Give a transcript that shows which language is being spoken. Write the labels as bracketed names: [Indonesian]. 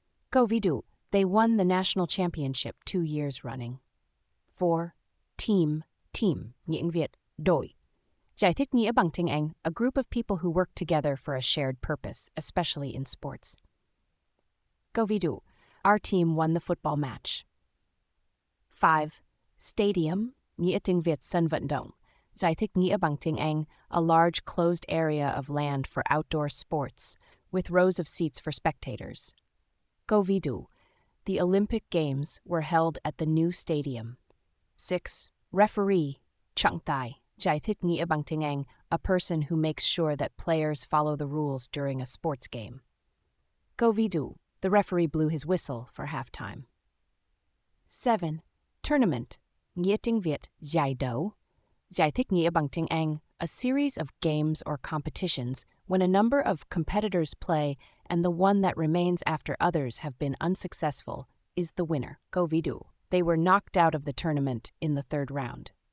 [Vietnamese] Câu ví dụ, [English] they won the national championship 2 years running. [Vietnamese] 4. Team. Nghĩa tiếng Việt, đội. Giải thích nghĩa bằng tiếng Anh, [English] a group of people who work together for a shared purpose, especially in sports. [Vietnamese] Câu ví dụ, [English] our team won the football match. 5. [Vietnamese] Stadium, nghĩa tiếng Việt sân vận động. Giải thích nghĩa bằng tiếng Anh, [English] a large closed area of land for outdoor sports, with rows of seats for spectators. [Vietnamese] Câu ví dụ, [English] the Olympic Games were held at the new stadium. 6. Referee, [Vietnamese] trọng tài. Giải thích nghĩa bằng tiếng Anh, [English] a person who makes sure that players follow the rules during a sports game. [Vietnamese] Câu ví dụ, [English] the referee blew his whistle for halftime. 7. [Vietnamese] Tournament, nghĩa tiếng Việt, giải đấu. Giải thích nghĩa bằng tiếng Anh, [English] a series of games or competitions when a number of competitors play and the one that remains after others have been unsuccessful is the winner. [Vietnamese] Câu ví dụ, [English] they were knocked out of the tournament in the third round.